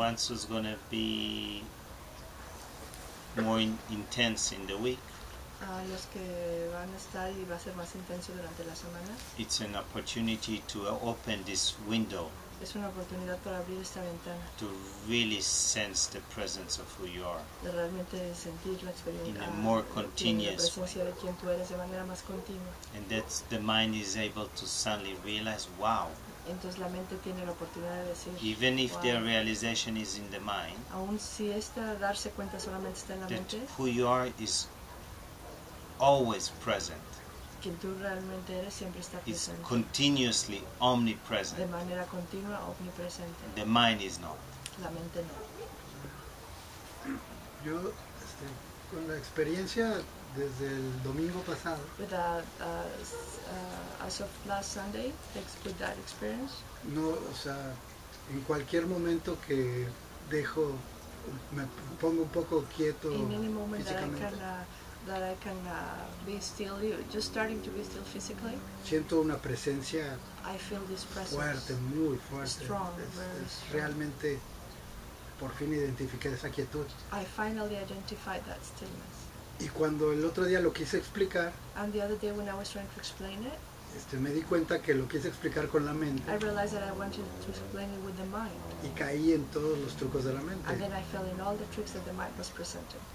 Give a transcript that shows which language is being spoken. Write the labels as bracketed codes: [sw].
[en] Is going to be more intense in the week. [es] Los que van a estar y va a ser más intenso durante la semana. [en] It's an opportunity to open this window. [es] Es una oportunidad para abrir esta ventana. [en] To really sense the presence of who you are. [es] De realmente sentir la experiencia. [en] In a more continuous [es] way. La presencia de quien tú eres de manera más continua. [en] And that the mind is able to suddenly realize, wow. [es] Entonces la mente tiene la oportunidad de decir, [en] even if the realization is in the mind, [es] aun si esta darse cuenta solamente está en la mente, [en] who you are is always present. [es] Quien tú realmente eres siempre está presente. [en] It's continuously omnipresent. [es] De manera continua, omnipresente. [en] The mind is not. [es] La mente no. Yo, con la experiencia desde el domingo pasado. [en] With as of last Sunday, with that experience. [es] No, o sea, en cualquier momento que dejo, me pongo un poco quieto. [en] In any moment that I can be still, just starting to be still physically. [es] Siento una presencia. [en] I feel this presence. [es] Fuerte, muy fuerte. [en] Strong, [es] realmente. Por fin identifiqué esa quietud. [en] I finally identified that stillness. [es] Y cuando el otro día lo quise explicar, [en] and the other day when I was trying to explain it, [es] me di cuenta que lo quise explicar con la mente. [en] I realized that I wanted to explain it with the mind. [es] Y caí en todos los trucos de la mente. [en] And then I fell in all the tricks that the mind was presenting.